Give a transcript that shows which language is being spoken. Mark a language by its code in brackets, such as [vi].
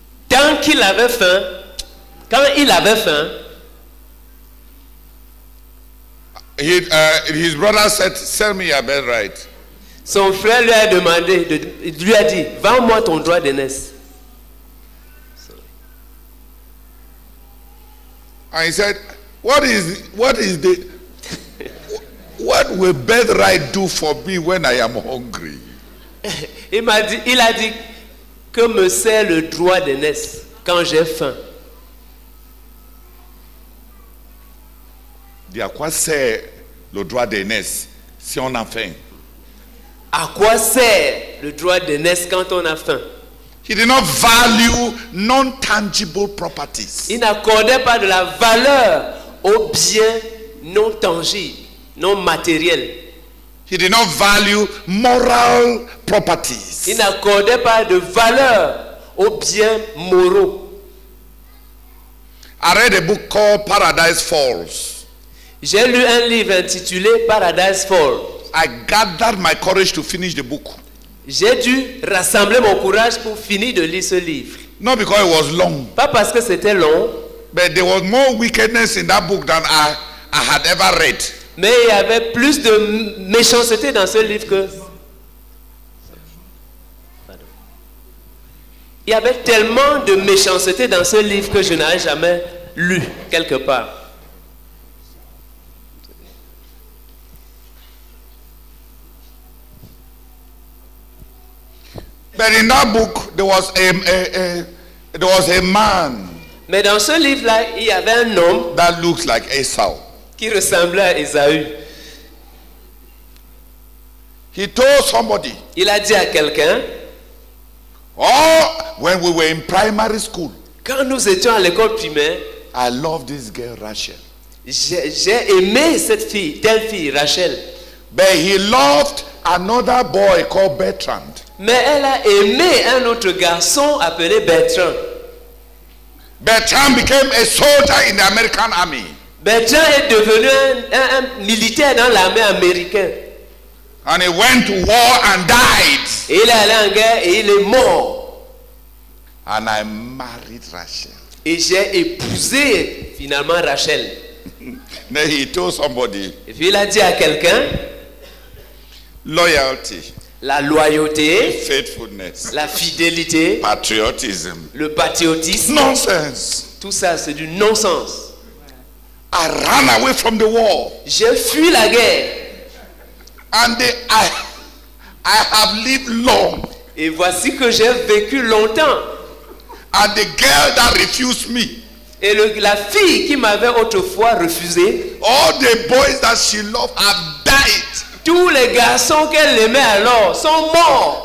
[fr] quand il avait faim, [en] his brother said, "Sell me your birthright." [fr] Son frère lui a demandé, lui a dit, vends-moi ton droit d'aînesse. [en] And he said, what will birthright do for me when I am hungry? [fr] Il a dit, que me sert le droit d'aînesse quand j'ai faim? De quoi sert le droit d'aînesse si on a faim? À quoi sert le droit d'aînesse quand on a faim? [en] He did not value non-tangible properties. [fr] Il n'accordait pas de la valeur aux biens non tangibles, non matériels. [en] He did not value moral properties. [fr] Il n'accordait pas de valeur aux biens moraux. [en] I read a book called Paradise Falls. [fr] J'ai lu un livre intitulé Paradise Falls. [en] I gathered my courage to finish the book. [fr] J'ai dû rassembler mon courage pour finir de lire ce livre. [en] Not because it was long. [fr] Pas parce que c'était long. [en] But there was more wickedness in that book than I had ever read. [fr] Mais il y avait plus de méchanceté dans ce livre que. Il y avait tellement de méchanceté dans ce livre que je n'avais jamais lu quelque part. [en] But in that book, there was a man. [fr] Mais dans ce livre-là, il y avait un homme. [en] That looks like Esau. [fr] Qui ressemblait à Esaü. [en] He told somebody. [fr] Il a dit à quelqu'un. [en] Oh, when we were in primary school. [fr] Quand nous étions à l'école primaire. [en] I love this girl Rachel. [fr] J'ai aimé cette fille, telle fille Rachel. [en] But he loved another boy called Bertrand. [fr] Mais elle a aimé un autre garçon appelé Bertrand. [en] Bertrand became a soldier in the American army. [fr] Bertrand est devenu un militaire dans l'armée américaine. [en] And he went to war and died. [fr] Et il est allé en guerre et il est mort. [en] And I married Rachel. [fr] Et j'ai épousé finalement Rachel. [en] Then he told somebody. [fr] Et puis il a dit à quelqu'un. [en] Loyalty. [fr] La loyauté, [en] faithfulness, [fr] la fidélité, [en] patriotism, [fr] le patriotisme, [en] nonsense. [fr] Tout ça, c'est du non-sens. [en] I ran away from the war. [fr] J'ai fui la guerre. [en] And I have lived long. [fr] Et voici que j'ai vécu longtemps. [en] And the girl that refused me. [fr] Et la fille qui m'avait autrefois refusé. [en] All the boys that she loved have died. [fr] Tous les garçons qu'elle aimait alors sont morts.